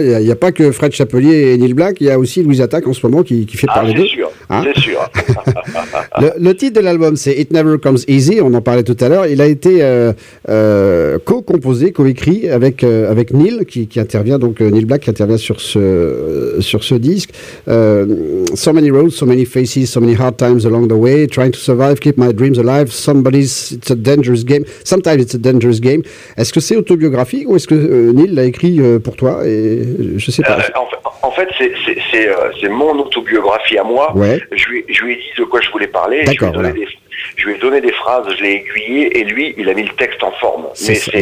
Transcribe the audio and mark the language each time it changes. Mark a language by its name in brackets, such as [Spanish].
[French] Il n'y a pas que Fred Chapelier et Neil Black, il y a aussi Louis Attaque en ce moment qui fait parler d'eux. C'est sûr. Hein, c'est sûr. le titre de l'album, c'est It Never Comes Easy, on en parlait tout à l'heure. Il a été co-composé, co-écrit avec Neil, qui intervient, donc Neil Black qui intervient sur ce disque. [English] So many roads, so many faces, so many hard times along the way, trying to survive, keep my dreams alive, it's a dangerous game. Sometimes it's a dangerous game. [French] Est-ce que c'est autobiographique ou est-ce que Neil l'a écrit pour toi et, je sais pas. En fait, c'est mon autobiographie à moi. Ouais. Je lui ai dit de quoi je voulais parler. D'accord, je lui ai donné des phrases, je l'ai aiguillé et lui, il a mis le texte en forme. C'est